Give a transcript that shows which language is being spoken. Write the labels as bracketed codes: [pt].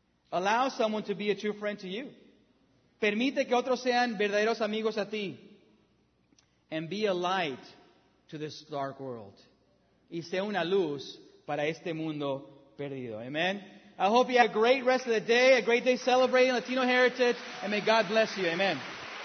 [en] Allow someone to be a true friend to you. [es] Permite que otros sean verdaderos amigos a ti. [en] And be a light to this dark world. [es] Y sé una luz para este mundo perdido. [en] Amen. I hope you have a great rest of the day, a great day celebrating Latino heritage, and may God bless you. Amen.